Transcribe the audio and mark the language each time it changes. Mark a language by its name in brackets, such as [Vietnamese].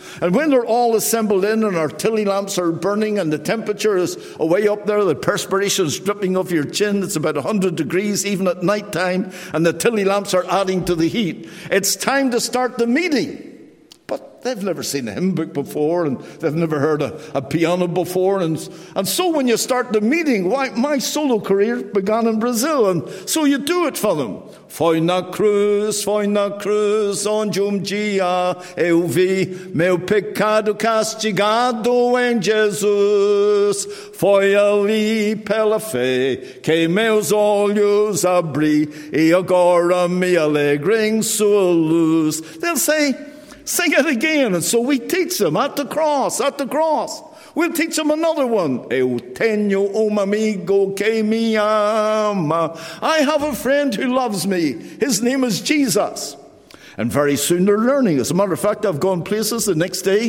[English] And when they're all assembled in and our tilly lamps are burning and the temperature is away up there, the perspiration is dripping off your chin, it's about 100 degrees even at night time, and the tilly lamps are adding to the heat, it's time to start the meeting. But they've never seen a hymn book before, and they've never heard a piano before. And so when you start the meeting, my solo career began in Brazil, and so you do it for them. [Portuguese] "Foi na cruz, foi na cruz, onde um dia eu vi meu pecado castigado em Jesus. Foi ali pela fé que meus olhos abri e agora me alegro em sua luz." [English] They'll say, "Sing it again." And so we teach them at the cross, at the cross. We'll teach them another one. [Spanish] El teño un amigo que me ama. [English] I have a friend who loves me. His name is Jesus. And very soon they're learning. As a matter of fact, I've gone places the next day.